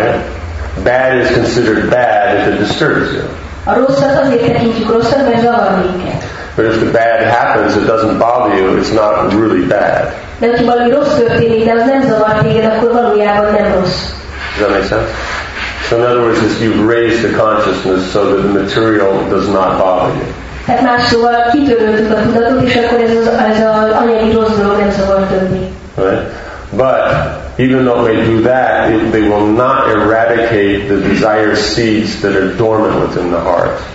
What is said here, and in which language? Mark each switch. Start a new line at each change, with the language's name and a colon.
English: Well, bad is considered bad if it disturbs you.
Hungarian: A rosszat azért tekintjük rosszat, mert zavar minket.
English: But if the bad happens, it doesn't bother you, it's not really bad.
Hungarian: De ha valami rossz történik, de az nem zavar téged, akkor valójában nem rossz.
English: Does that make sense? So in other words, you've raised the consciousness so that the material does not bother you.
Hungarian: Tehát más szóval kitöröltük a tudatot, és akkor ez az anyagi rossz dolog nem szabad többé.
English: But even though they do that, they will not eradicate the desire seeds that are dormant within the heart.